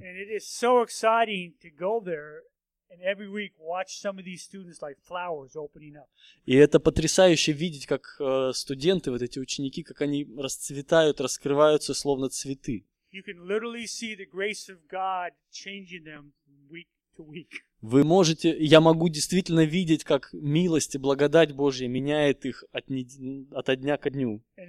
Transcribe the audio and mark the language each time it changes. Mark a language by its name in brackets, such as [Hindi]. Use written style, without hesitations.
[English] And it is so exciting to go there. And every week watch some of these students like flowers opening up. [Russian] И это потрясающе видеть, как студенты, вот эти ученики, как они расцветают, раскрываются, словно цветы. [English] You can literally see the grace of God changing them week [Russian] Вы можете, я могу действительно видеть, как милость и благодать Божья меняет их от дня ко дню.